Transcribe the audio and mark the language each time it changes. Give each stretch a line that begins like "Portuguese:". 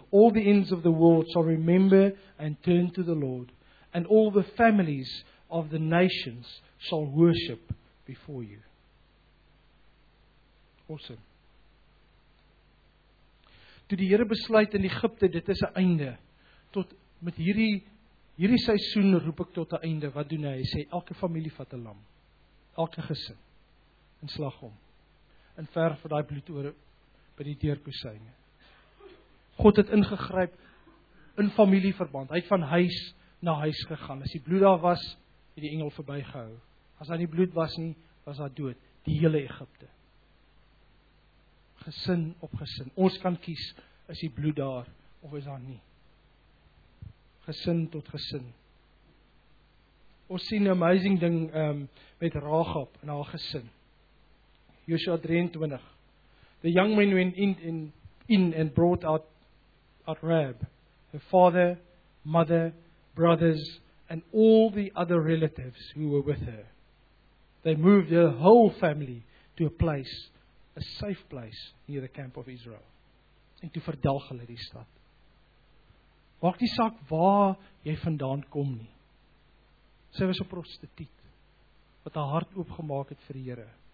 English: All the ends of the world shall remember and turn to the Lord, and all the families of the nations shall worship before you. Awesome.
Afrikaans: Toe die Here besluit in Egipte, dit is 'n einde. Tot met hierdie seisoen roep ek tot 'n einde. Wat doen hy? Hy sê elke familie vat 'n lam. Elke gesin. En slag hom. En verf daai bloed oor by die deurposyne. God het ingegryp in familieverband. Hy het van huis na huis gegaan. As die bloed daar was, het die engel verbygehou. As daar nie bloed was nie, was daar dood. Die hele Egipte. Gesin op gesin. Ons kan kies, is die bloed daar, of is daar nie. Gesin tot gesin. Ons sien een amazing ding met Rahab en haar gesin. Joshua 23.
English: The young man went in and brought out Rahab, her father, mother, brothers, and all the other relatives who were with her. They moved their whole family to a place, a safe place, near the camp of Israel.
Afrikaans: En toe verdelg hulle die stad. Maak nie saak waar jy vandaan kom nie. Sy was 'n prostituut, wat haar hart oopgemaak het vir die Here.